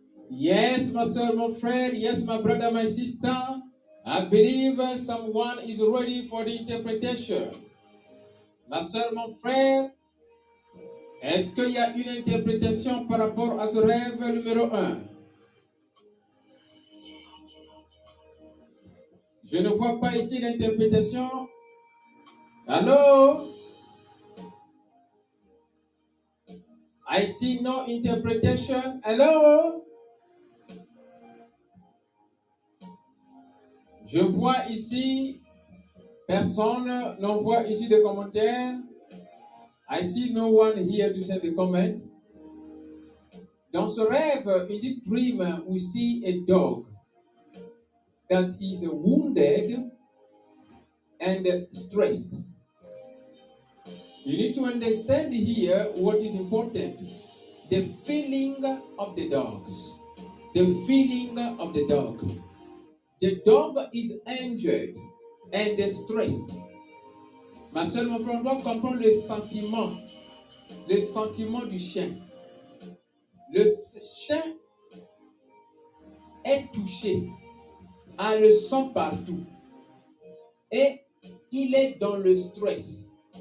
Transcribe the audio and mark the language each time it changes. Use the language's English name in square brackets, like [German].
[English] Yes, my [French] soeur, mon frère. [English] Yes, my brother, my sister. I believe someone is ready for the interpretation. [French] Ma soeur, mon frère, est-ce qu'il y a une interprétation par rapport à ce rêve numéro 1? Je ne vois pas ici l'interprétation. Allô? [English] I see no interpretation. Allô? [French] Je vois ici, personne n'envoie ici de commentaires. [English] I see no one here to send a comment. [French] Dans ce rêve, [English] in this dream, we see a dog that is wounded and stressed. You need to understand here what is important. The feeling of the dogs. The feeling of the dog. The dog is injured and distressed. [French] Ma soeur, mon frère, on doit comprendre le sentiment du chien. Le chien est touché, a le sang partout et il est dans le stress.